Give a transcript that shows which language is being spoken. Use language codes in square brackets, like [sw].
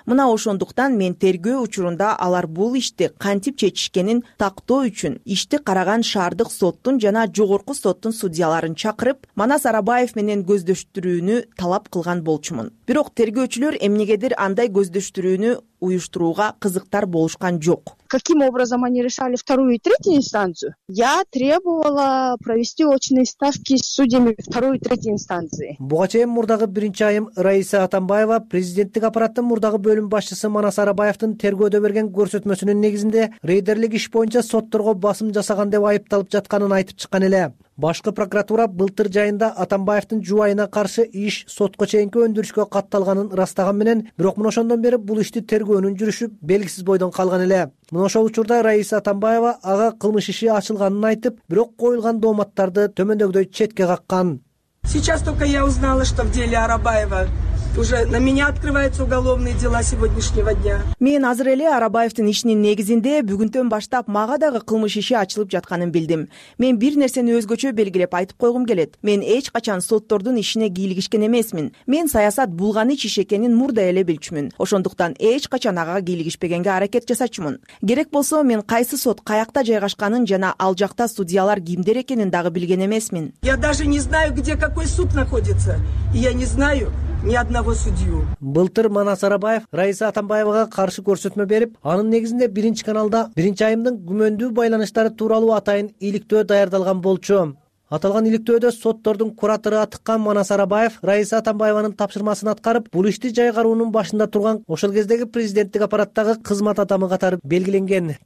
[ky] Мына ошондуктан мен тергөө учурунда алар бул ишти кантип чечишкенин тактоо үчүн ишти караган шаардык соттун жана жогорку соттун судьяларын чакырып, Манас Арабаев менен көздөштүрүүнү талап кылган болчумун. Бирок тергөөчүлөр эмнегедир андай көздөштүрүүнү уюштурууга кызыктар болушкан жок. [ru] Каким образом они решали вторую и третью инстанцию? Я требовала провести очные ставки с судьями второй и третьей инстанции. [ky] Буга чейин мурдагы биринчи айым Раиса Атамбаева президенттик аппараттын мурдагы бөлүм башчысы Манас Арабаевдин тергөөдө берген көрсөтмөсүнүн негизинде рейдерлик иш боюнча сотторго басым жасаган деп айыпталып жатканын айтып чыккан эле. Башкы прокуратура былтыр жайында Атамбаевдин жубайына каршы иш сотко чейинки өндүрүшкө катталганын ырастаган менен, бирок мына ошондон бери бул ишти тергөөнүн жүрүшү белгисиз бойдон калган эле. Мына ошол учурда Раиса Атамбаева ага кылмыш иши ачылганын айтып, бирок коюлган дооматтарды төмөндөгүдөй четке каккан. [ru] Сейчас только я узнала, что в деле Арабаева уже на меня открываются уголовные дела сегодняшнего дня. [ky] Мен азыр эле Арабаевдин ишинин негизинде бүгүнтөн баштап мага дагы кылмыш иши ачылып жатканын билдим. Мен бир нерсени өзгөчө белгилеп айтып койгум келет. Мен эч качан соттордун ишине кийлигишкен эмесмин. Мен саясат булган иш иш экенин мурда эле билчүмүн. Ошондуктан эч качан ага кийлигишпегенге аракет жасачумун. Керек болсо мен кайсы сот каякта жайгашканын жана ал жакта судьялар кимдер экенин дагы билген эмесмин. [ru] Я даже не знаю, где какой суд находится. И я не знаю, ни одного судью. [ky] Былтыр Манас Арабаев Раиса Атамбаевага каршы көрсөтмө берип, анын негизинде биринчи каналда биринчи айымдын күмөндүү байланыштары тууралуу атайын иликтөө даярдалган болчу. Аталган иликтөөдө соттордун кураторуна тыккан Манас Арабаев Раиса Атамбаеванын тапшырмасын аткарып, бул ишти жайгаруунун башында турган ошол кездеги президенттик аппараттагы кызмат адамы катары белгиленген.